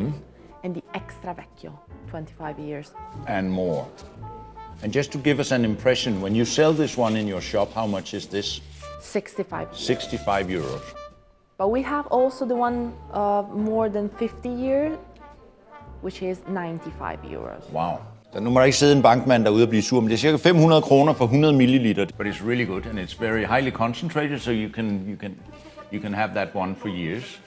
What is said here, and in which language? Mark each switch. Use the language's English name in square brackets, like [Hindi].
[English] Mm. And the extra vecchio, 25 years. And more. And just to give us an impression, when you sell this one in your shop, how much is this? 65 euros. 65 euros. But we have also the one of more than 50 years, which is 95 euros. Wow. [Danish] Så nu må jeg ikke sidde en bankmand derude og blive sur, men det er cirka 500 kroner for 100 milliliter. [English] But it's really good and it's very highly concentrated, so you can have that one for years.